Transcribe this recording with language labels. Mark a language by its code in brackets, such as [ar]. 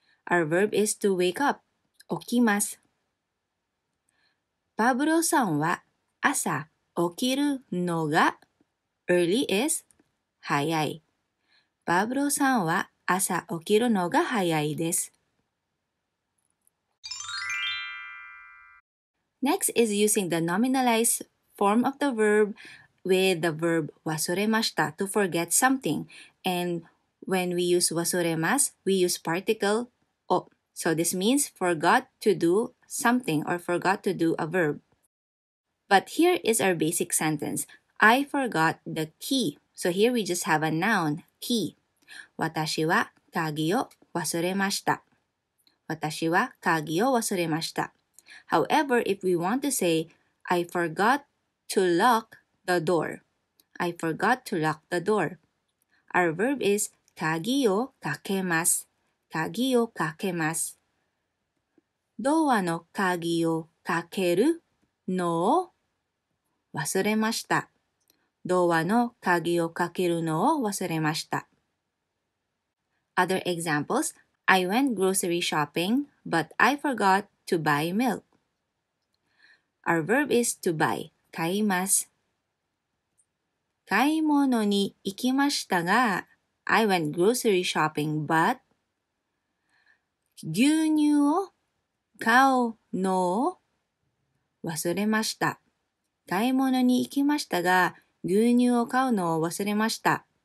[en] Our verb is to wake up. 起きます。 [ja] パブロさんは朝起きるのが [en] early is 早い。 [ja] パブロさんは朝起きるのが早いです。 [en] Next is using the nominalized form of the verb with the verb 忘れました to forget something. And when we use 忘れます, we use particle を. So this means forgot to do something or forgot to do a verb. But here is our basic sentence. I forgot the key. So here we just have a noun, key. [ja] 私は鍵を忘れました。私は鍵を忘れました。 [en] However, if we want to say, I forgot to lock the door. I forgot to lock the door. Our verb is [ja] 鍵をかけます。鍵をかけます。ドアの鍵をかけるのを忘れました。ドアの鍵をかけるのを忘れました。 [en] Other examples. I went grocery shopping, but I forgot to buy milk. Our verb is to buy. [ja] 買います。買い物に行きましたが、 [en] I went grocery shopping, but [ja] 牛乳を買うのを忘れました。買い物に行きましたが、牛乳を買うのを忘れました。